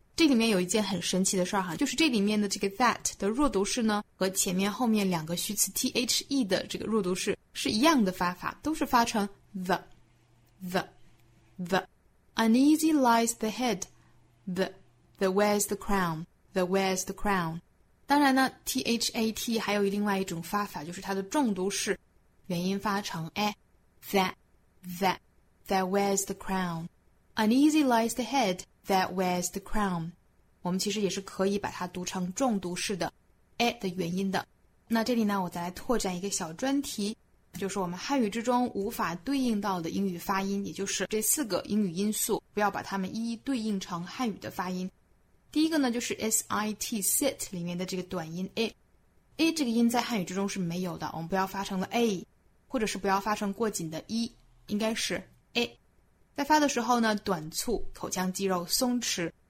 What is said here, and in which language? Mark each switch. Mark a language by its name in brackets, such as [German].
[Chinese] 这里面有一件很神奇的事儿哈，就是这里面的这个 that 的弱读式呢，和前面后面两个虚词 the 的这个弱读式是一样的发法，都是发成 the. [English] Uneasy lies the head, the wears the crown, the wears the crown. [Chinese] 当然呢 ,that 还有另外一种发法，就是它的重读式元音发成 a, [English] that wears the crown. Uneasy lies the head that wears the crown. [Chinese] 我们其实也是可以把它读成重读式的 a 的元音的。那这里呢，我再来拓展一个小专题，就是我们汉语之中无法对应到的英语发音，也就是这四个英语音素，不要把它们一一对应成汉语的发音。第一个呢，就是 sit, sit 里面的这个短音 a 这个音在汉语之中是没有的，我们不要发成了 a, 或者是不要发成过紧的 e, 应该是 a, 在发的时候呢，短促，口腔肌肉松弛，